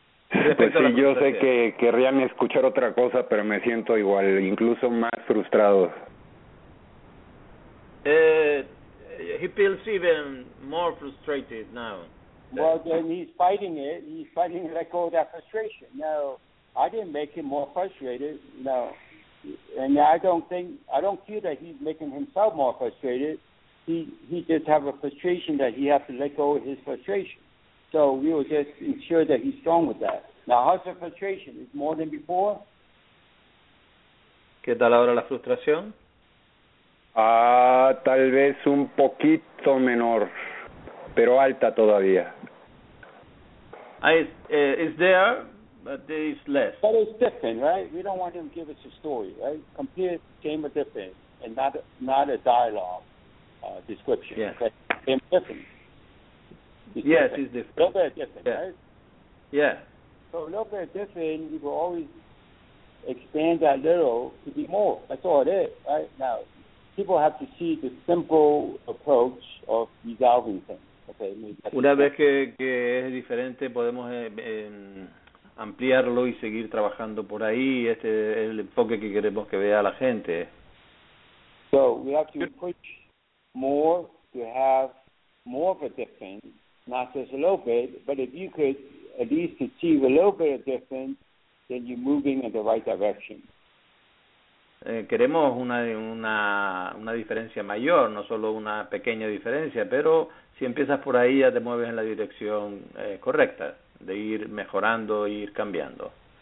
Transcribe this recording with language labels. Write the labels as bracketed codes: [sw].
[es] Pues sí, yo sé que querrían escuchar otra cosa, pero me siento igual, incluso más frustrado. [en] He feels even more frustrated now. Well, then he's fighting it. He's fighting to let go of that frustration. Now, I didn't make him more frustrated. No, and I don't feel that he's making himself more frustrated. he just have a frustration that he has to let go of his frustration. So we will just ensure that he's strong with that. Now, how's the frustration? Is more than before? [es] ¿Qué tal ahora la frustración? Tal vez un poquito menor, pero alta todavía. [en] It's there, but there is less. But it's different, right? We don't want him to give us a story, right? Compare game of different and not a dialogue description. Yes. Okay? Game of different. Yes, it's different. A little bit different, yeah. Right? Yeah. So a little bit different, you will always expand that little to be more. That's all it is, right? Now, people have to see the simple approach of resolving things. Okay, [es] una vez que es diferente, podemos ampliarlo y seguir trabajando por ahí. Este es el enfoque que queremos que vea la gente. [en] So we have to push more to have more of a difference, not just a little bit, but if you could at least achieve a little bit of difference, then you're moving in the right direction. [es] Queremos una diferencia mayor, no solo una pequeña diferencia, pero si empiezas por ahí ya te mueves en la dirección correcta de ir mejorando e ir cambiando.